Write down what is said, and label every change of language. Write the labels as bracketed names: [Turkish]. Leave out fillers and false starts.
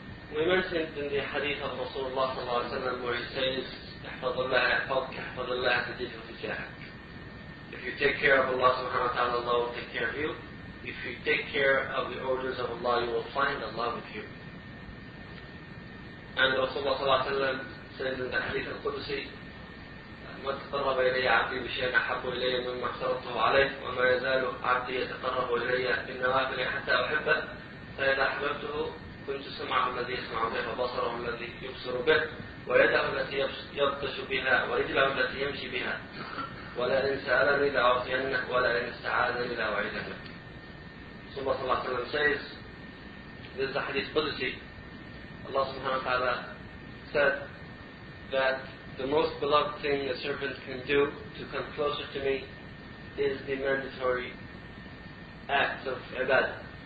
[English] We mentioned in the hadith of Rasulullah sallallahu alaihi wasallam where he says, [Arabic] احفظ الله يحفظك احفظ الله تجده في جهك. [English] If you take care of Allah subhanahu wa ta'ala, Allah will take care of you. If you take care of the orders of Allah, you will find Allah with you. And Rasulullah sallallahu alaihi wasallam says in the hadith al-Qudsi, [Arabic] مَا تَقَرَّبَ إِلَيَّ عَبْدِي بِشَيْءٍ أَحَبُّ إِلَيَّ مِمَّا اقْتَرَبْتُهُ عَلَيْهِ وَمَا يَزَالُ عَبْدِي يَتَقَرَّبُ إِلَيَّ بِالنَّوَافِلِ حَتَّى أُحِبَّهُ فَإِذَا أَحْبَبْتُهُ كنت سمعه الذي يسمع به وبصره الذي يبصر به ويده التي يبطش بها ورجله التي يمشي بها ولئن سألني لأعطينه ولئن استعاذني لأعيذنه. ثم صلى الله عليه وسلم [English] says, this is a hadith Qudsi. Allah subhanahu wa ta'ala said that the most beloved thing a servant can do to come closer to me is the mandatory acts of ibadah.